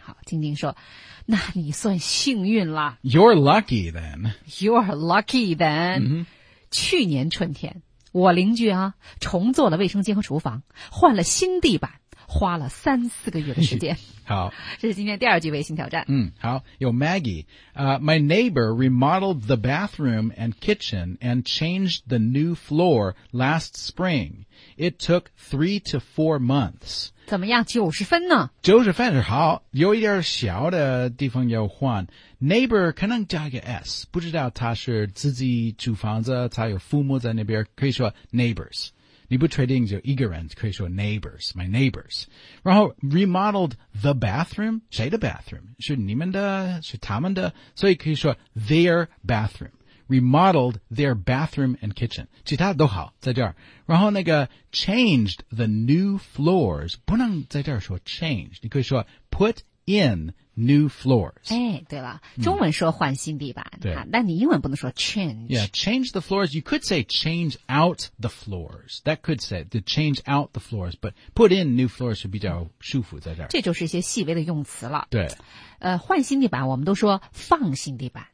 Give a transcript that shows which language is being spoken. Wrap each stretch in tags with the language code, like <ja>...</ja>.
<zh>好晶晶说那你算幸运了。</zh> <en>You're lucky then. You're lucky then.、 Mm-hmm.</en> <zh>去年春天我邻居啊重做了卫生间和厨房换了新地板。花了3-4个月的时间。好，这是今天第二句微信挑战。嗯，好，有 Maggie。</zh> <en>My neighbor remodeled the bathroom and kitchen and changed the new floor last spring. It took 3 to 4 months.</en> <zh>怎么样？90分呢？ 90分是好，有一点小的地方要换。 Neighbor 可能加一个 s， 不知道他是自己租房子，他有父母在那边，可以说 neighbors。你不确定就一个人可以说 neighbors,</zh> <en>my neighbors.</en> <zh>然后</zh> <en>remodeled the bathroom,</en> <zh>谁的 bathroom? 是你们的是他们的所以可以说</zh> <en>their bathroom. Remodeled their bathroom and kitchen.</en> <zh>其他都好在这儿。然后那个</zh> <en>changed the new floors,</en> <zh>不能在这儿说 change, 你可以说</zh> <en>put in new floors.</en> <zh>哎对了中文说换新地板那你英文不能说 change.</zh> <en>Yeah, change the floors. You could say change out the floors. That could say to change out the floors, but put in new floors</en> <zh>是比较舒服在这儿。这就是一些细微的用词了。对。换新地板我们都说放新地板。</zh>